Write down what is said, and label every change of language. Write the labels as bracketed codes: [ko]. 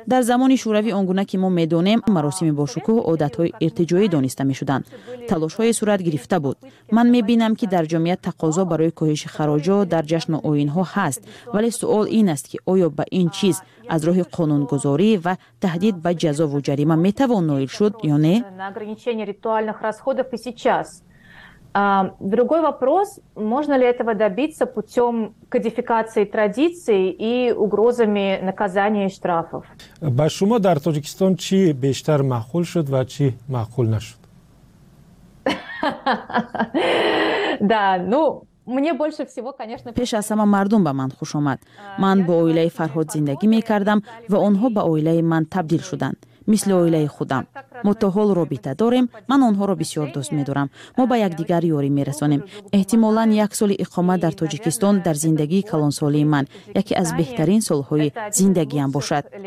[fa] در زمان شوروی آنگونه که ما میدونیم، مراسم باشکوه عادت های ارتجایی دانسته میشدند. تلاش های صورت گرفته بود. من میبینم که در جامعه تقاضا برای کاهش خراج ها در جشن و آیین ها هست، ولی سوال این است که آیا به این چیز از راه قانون گذاری و تهدید به جزا و جریمه می توان نائل شد یا نه؟ [ru] На ограничение ритуальных расходов и сейчас. Другой вопрос, можно ли этого добиться путем кодификации традиций и угрозами наказания и штрафов? [tg] Ба шумо дар Таҷикистон чи бештар маъқул шуд ва чи маъқул нашуд? [ru] Да, ну мне больше всего, конечно, [tg] пеша сама мардум ба ман хуш омад. Ман бо оилаи Фарҳод зиндагӣ мекардам ва онҳо ба оилаи ман табдил шуданд. [fa] مثل اویله خودم. ما تا حال رابطه داریم. من آنها را بسیار دوست می دارم. ما به یک دیگر یاری می رسانیم. احتمالاً یک سال اقامت در تاجیکستان در زندگی کلان سالی من یکی از بهترین سالهای زندگی هم باشد.